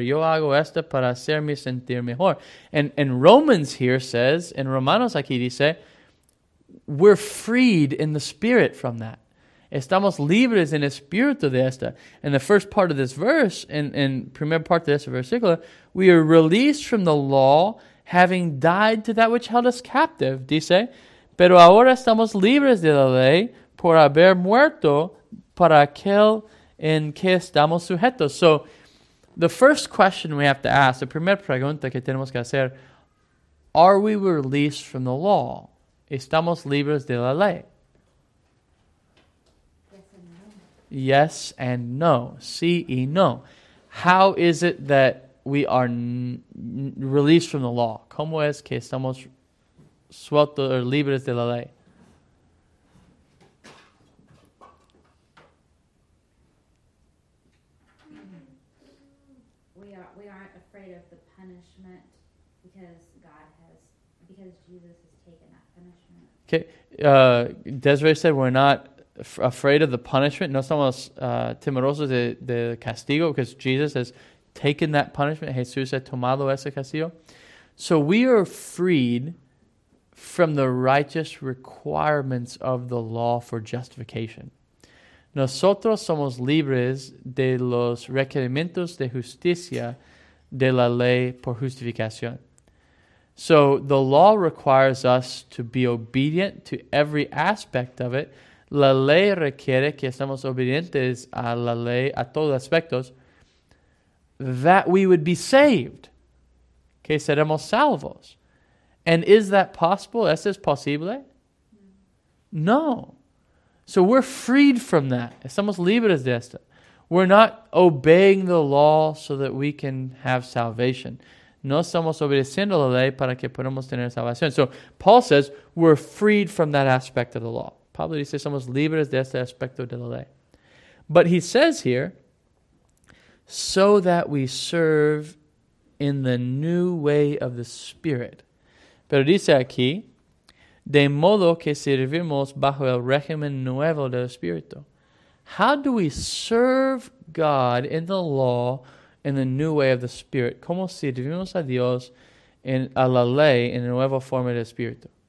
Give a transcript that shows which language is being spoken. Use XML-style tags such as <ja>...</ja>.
<es>Yo hago esto para hacerme sentir mejor.</es> <en>And Romans here says, in</en> <es>Romanos aquí dice,</es> <en>we're freed in the spirit from that.</en> <es>Estamos libres en espíritu de esta.</es> <en>In the first part of this verse, in</en> <es>primer parte de este versículo,</es> <en>we are released from the law, having died to that which held us captive,</en> <es>dice. Pero ahora estamos libres de la ley por haber muerto para aquel en que estamos sujetos.</es> <en>So, the first question we have to ask, the</en> <es>primera pregunta que tenemos que hacer,</es> <en>are we released from the law?</en> <es>¿Estamos libres de la ley?</es> <en>Yes and no. Yes and no.</en> <es>Sí y no.</es> <en>How is it that we are released from the law?</en> <es>¿Cómo es que estamos suelto o libres de la ley?</es> <en>We aren't afraid of the punishment because Jesus has taken that punishment. Okay, Desiree said we're not afraid of the punishment.</en> <es>No estamos temerosos de castigo</es> <en>because Jesus has taken that punishment.</en> <es>Jesús ha tomado ese castigo.</es> <en>So we are freed from the righteous requirements of the law for justification.</en> <es>Nosotros somos libres de los requerimientos de justicia de la ley por justificación.</es> <en>So the law requires us to be obedient to every aspect of it.</en> <es>La ley requiere que estemos obedientes a la ley, a todos aspectos,</es> <en>that we would be saved,</en> <es>que seremos salvos.</es> <en>And is that possible?</en> <es>¿Es eso posible?</es> <en>No. So we're freed from that.</en> <es>Estamos libres de esto.</es> <en>We're not obeying the law so that we can have salvation.</en> <es>No estamos obedeciendo la ley para que podamos tener salvación.</es> <en>So Paul says we're freed from that aspect of the law.</en> <es>Pablo dice somos libres de este aspecto de la ley.</es> <en>But he says here, so that we serve in the new way of the Spirit.</en> <es>Pero dice aquí, de modo que servimos bajo el régimen nuevo del Espíritu.</es> <en>How do we serve God in the law in the new way of the Spirit?</en> <es>¿Cómo servimos a Dios en a la ley en la nueva forma del Espíritu?</es>